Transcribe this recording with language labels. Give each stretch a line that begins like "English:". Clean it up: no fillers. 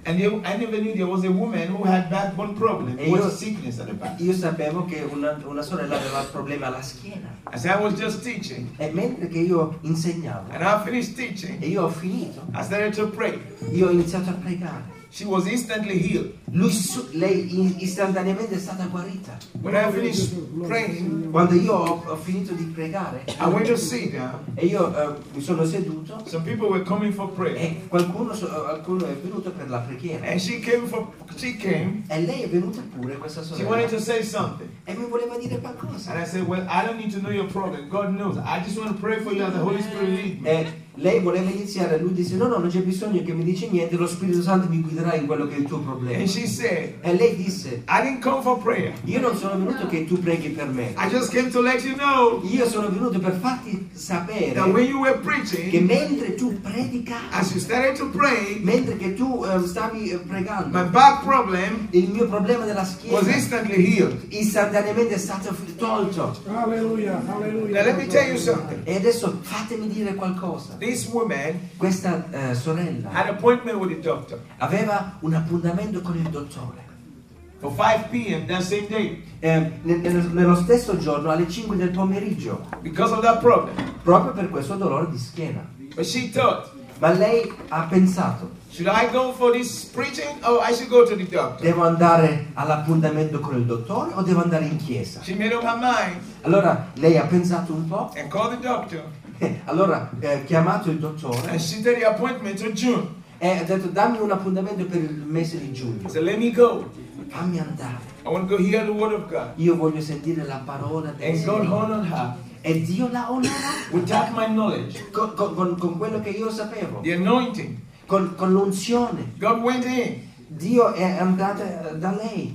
English: And you, I never knew there was a woman who had backbone problem, was sickness at the back.
Italian: Io sapevo che una sorella aveva problemi alla schiena.
English: As I was just teaching.
Italian: E mentre che io insegnavo.
English: And I finished teaching.
Italian: E io ho finito.
English: I started to pray.
Italian: Io ho iniziato a pregare.
English: She was instantly healed.
Italian: Lei istantaneamente è stata guarita.
English: When I finished praying,
Italian: quando io ho finito di pregare,
English: I went to sit.
Italian: E io mi sono seduto.
English: Some people were coming for prayer.
Italian: E qualcuno è venuto per la preghiera.
English: And she came.
Italian: E lei è venuta pure questa sorella.
English: She wanted to say something.
Italian: E mi voleva dire qualcosa.
English: And I said, well, I don't need to know your problem. God knows. I just want to pray for you as the Holy Spirit lead me.
Italian: Lei voleva iniziare, lui disse no, non c'è bisogno che mi dici niente, lo Spirito Santo mi guiderà in quello che è il tuo problema.
English: And she said,
Italian: e lei disse,
English: I didn't come for prayer.
Italian: Io non sono venuto che tu preghi per me.
English: I just came to let you know.
Italian: Io sono venuto per farti sapere
English: that when you were preaching,
Italian: che mentre tu predicavi,
English: as you started to pray,
Italian: mentre che tu stavi pregando,
English: my back problem,
Italian: il mio problema della schiena,
English: was instantly healed.
Italian: Istantaneamente è stato tolto.
English: Hallelujah. Now let me tell you something.
Italian: E adesso fatemi dire qualcosa.
English: This woman,
Italian: questa sorella,
English: had an appointment with the doctor.
Italian: Aveva un appuntamento con il dottore.
English: For 5 p.m. that same day.
Italian: Nello stesso giorno alle 5 del pomeriggio.
English: Because of that problem.
Italian: Proprio per questo dolore di schiena.
English: But she thought.
Italian: Ma lei ha pensato.
English: Should I go for this preaching or I should go to the doctor?
Italian: Devo andare all'appuntamento con il dottore o devo andare in chiesa?
English: She made up her mind.
Italian: Allora lei ha pensato un po'.
English: And called the doctor.
Italian: Allora ha chiamato il dottore.
English: And she did the appointment in June.
Italian: E ha detto dammi un appuntamento per il mese di giugno.
English: So let me go.
Italian: Fammi andare.
English: I want to go hear the word of God.
Italian: Io voglio sentire la parola del Signore.
English: And God honored her.
Italian: E Dio la onora.
English: Without my knowledge.
Italian: Con quello che io sapevo.
English: The anointing.
Italian: Con l'unzione.
English: God went in.
Italian: Dio è andato da lei.